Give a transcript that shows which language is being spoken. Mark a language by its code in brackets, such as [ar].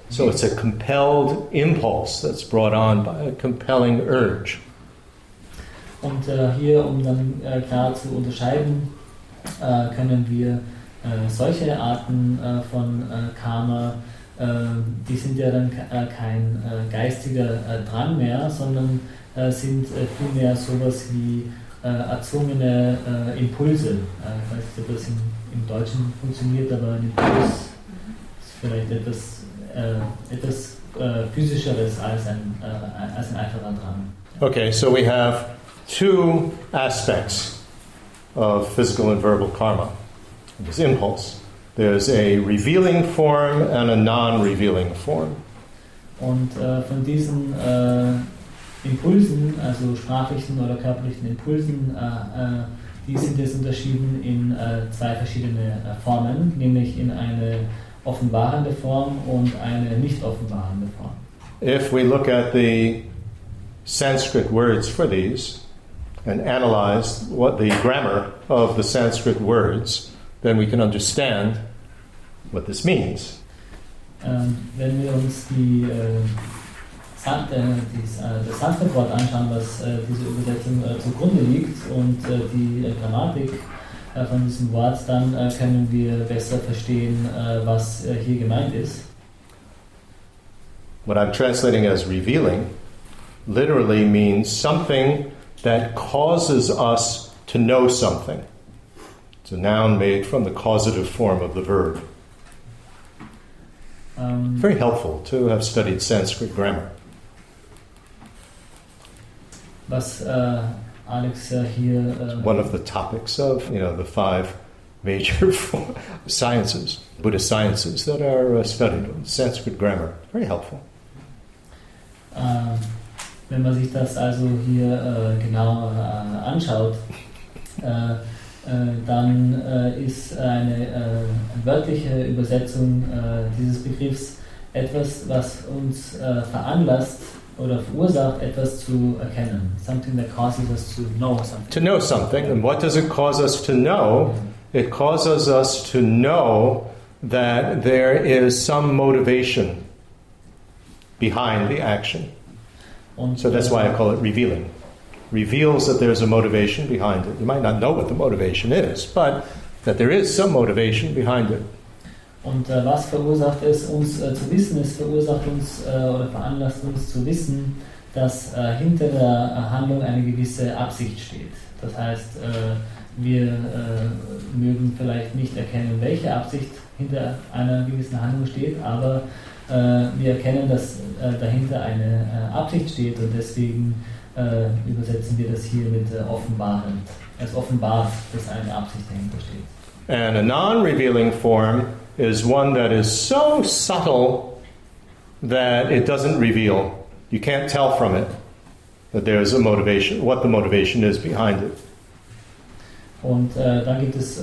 [en] So it's a compelled impulse that's brought on by a compelling urge. [de] Und hier, um dann klar zu unterscheiden, können wir solche Arten von Karma, die sind ja dann kein geistiger Drang mehr, sondern sind vielmehr sowas wie erzwungene Impulse. Ich weiß nicht, ob das im Deutschen funktioniert, aber ein Impuls ist vielleicht etwas physischeres als ein einfacher Drang. [en] Okay, so we have two aspects of physical and verbal karma. This impulse. There's a revealing form and a non-revealing form. [de] Und von diesen Impulsen, also sprachlichen oder körperlichen Impulsen, die sind jetzt unterschieden in zwei verschiedene Formen, nämlich in eine offenbarende Form und eine nicht offenbarende Form. [en] If we look at the Sanskrit words for these and analyze what the grammar of the Sanskrit words, then we can understand what this means. [de] Wenn wir uns das Sanskrit-Wort anschauen, was diese Übersetzung zugrunde liegt und die Grammatik von diesem Wort, dann können wir besser verstehen, was hier gemeint ist. [en] What I'm translating as revealing literally means something that causes us to know something. It's a noun made from the causative form of the verb. Very helpful to have studied Sanskrit grammar. [de] Was Alex hier... [en] One of the topics of, you know, the five major sciences, Buddhist sciences that are studied, Sanskrit grammar. Very helpful. [de] Wenn man sich das also hier genauer anschaut, dann ist eine wörtliche Übersetzung dieses Begriffs etwas, was uns veranlasst, oder verursacht, etwas zu erkennen. [en] Something that causes us to know something. To know something. And what does it cause us to know? It causes us to know that there is some motivation behind the action. [de] Und [en] so that's why I call it revealing. Reveals that there's a motivation behind it. You might not know what the motivation is, but that there is some motivation behind it. [de] Und was verursacht es uns zu wissen? Es verursacht uns oder veranlasst uns zu wissen, dass hinter der Handlung eine gewisse Absicht steht. Das heißt, wir mögen vielleicht nicht erkennen, welche Absicht hinter einer gewissen Handlung steht, aber wir erkennen, dass dahinter eine Absicht steht, und deswegen übersetzen wir das hier mit offenbarend. Es offenbart, dass eine Absicht dahinter steht. And a non-revealing form is one that is so subtle that it doesn't reveal. You can't tell from it that there is a motivation, what the motivation is behind it. Und, dann gibt es,